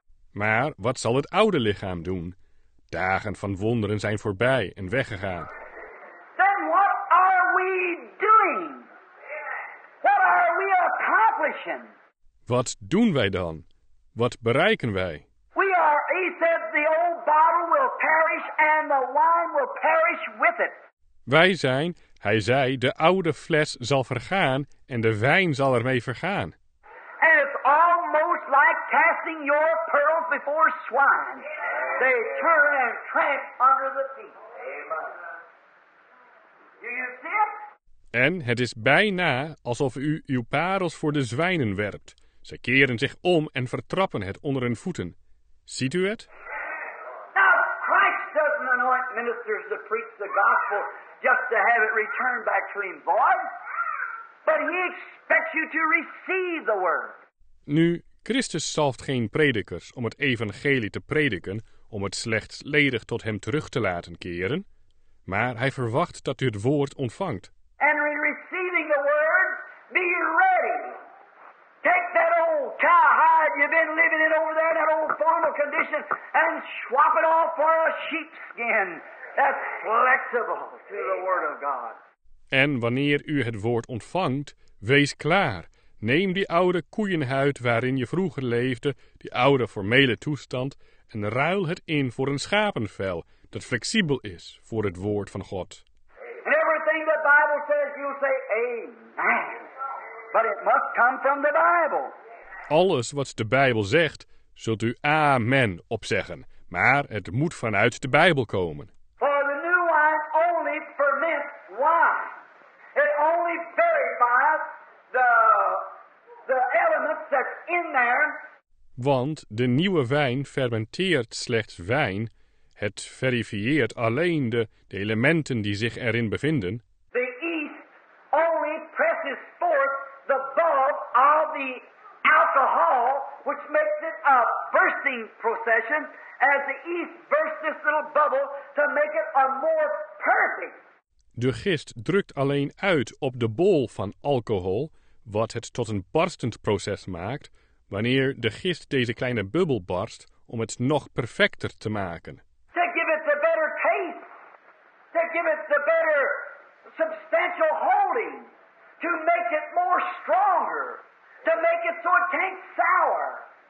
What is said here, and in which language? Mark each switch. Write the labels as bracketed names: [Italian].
[Dutch] Maar wat zal het oude lichaam doen? Dagen van wonderen zijn voorbij en weggegaan. [English] Then what are we doing? What are we accomplishing? [Dutch] Wat doen wij dan? Wat bereiken wij? [English] We are, he said, the old bottle will perish and the wine will perish with it. [Dutch] Wij zijn, hij zei, de oude fles zal vergaan en de wijn zal ermee vergaan. [English] And it's almost like casting your pearls before swine. They turn and tramp under the feet. Amen. Do you see it? [Dutch] En het is bijna alsof u uw parels voor de zwijnen werpt. Ze keren zich om en vertrappen het onder hun voeten. Ziet u het? [English] Now, Christ doesn't anoint ministers to preach the gospel just to have it returned back to him void. But he expects you to receive the word. [Dutch] Nu, Christus zalft geen predikers om het evangelie te prediken, om het slechts ledig tot hem terug te laten keren. Maar hij verwacht dat u het woord ontvangt. [English] And in receiving the word, be ready. Take that old cowhide you've been living in over there, that old formal condition, and swap it off for a sheepskin that's flexible to the word of God. [Dutch] En wanneer u het woord ontvangt, wees klaar. Neem die oude koeienhuid waarin je vroeger leefde, die oude formele toestand, en ruil het in voor een schapenvel dat flexibel is voor het woord van God. [English] And everything the Bible says, you say, Amen. But it must come from the Bible. [Dutch] Alles wat de Bijbel zegt, zult u Amen opzeggen. Maar het moet vanuit de Bijbel komen. [English] For the new wine only ferments wine. It only verifies the elements that's in there. [Dutch] Want de nieuwe wijn fermenteert slechts wijn. Het verifieert alleen de elementen die zich erin bevinden. [English] The yeast only presses forth the bulk of the alcohol, which makes it a bursting procession, as the yeast bursts this little bubble to make it a more perfect. [Dutch] De gist drukt alleen uit op de bol van alcohol, wat het tot een barstend proces maakt, wanneer de gist deze kleine bubbel barst om het nog perfecter te maken. [English] To give it the better taste. To give it the better substantial holding. To make it more stronger. To make it so it can't sour.